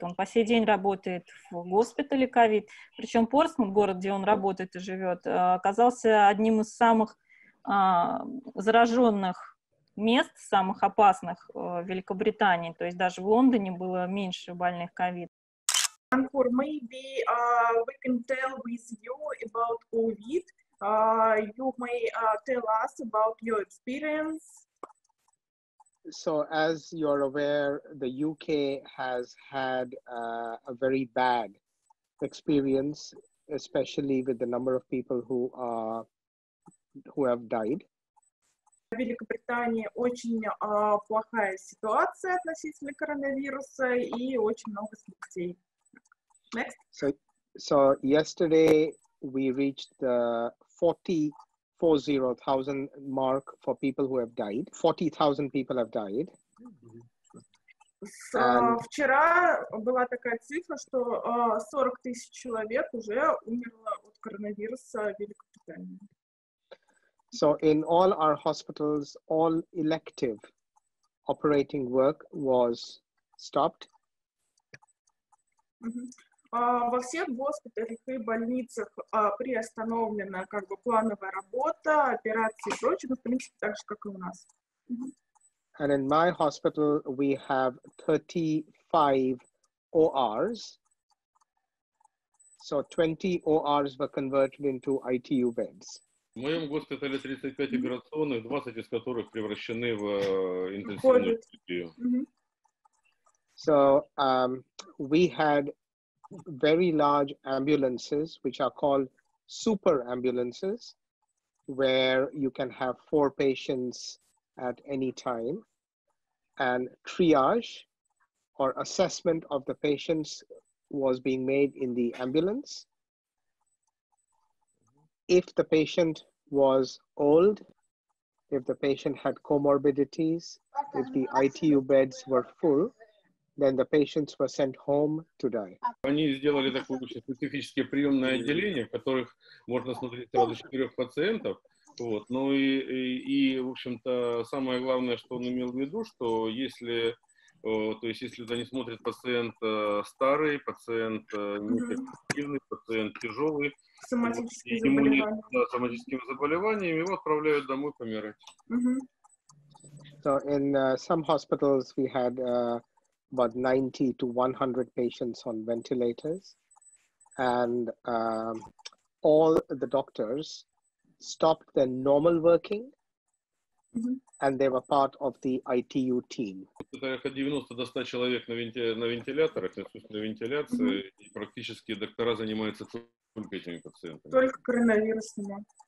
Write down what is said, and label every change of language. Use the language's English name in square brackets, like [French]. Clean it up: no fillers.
[Russian] Он по сей день работает в госпитале COVID, причем Портсмут, город, где он работает и живет, оказался одним из самых зараженных мест, самых опасных в Великобритании. То есть даже в Лондоне было меньше больных COVID. [English] Ankur, maybe we can tell with you about COVID. You may tell us about your experience. So as you're aware, the UK has had a very bad experience, especially with the number of people who have died. [Russian] В Великобритании очень плохая ситуация относительно коронавируса и очень много смертей. [English] Next. So yesterday we reached the 40,000 mark for people who have died. 40,000 people have died. [Russian] Вчера была такая цифра, что 40,000 человек уже умерло от коронавируса в Великобритании. [English] So in all our hospitals, all elective operating work was stopped. Mm-hmm. [Russian] Во всех госпиталях и больницах приостановлена как бы плановая работа, операции и прочее, но в принципе так же, как и у нас. [English] And in my hospital we have 35 ORs. So 20 ORs were converted into ITU beds. [Russian] В моем госпитале 35 операционных, 20 из которых превращены в интенсивную терапию. [English] So we had very large ambulances, which are called super ambulances, where you can have 4 patients at any time, and triage or assessment of the patients was being made in the ambulance. If the patient was old, if the patient had comorbidities, if the ITU beds were full, then the patients were sent home to die. [Russian] Они сделали такое очень специфическое приемное отделение, в которых можно смотреть сразу 4 пациентов. Вот. Ну и в общем-то, самое главное, что он имел в виду, что если, то есть если за ним смотрит пациент старый, пациент неэффективный, пациент тяжелый, соматическими заболеваниями, его отправляют домой помирать. [English] So in some hospitals we had about 90 to 100 patients on ventilators, and all the doctors stopped their normal working, and they were part of the ITU team. [Russian] Это 90 до 100 человек на вентиляторах, на вентиляции, и практически доктора занимаются только этими пациентами. Только коронавирусными.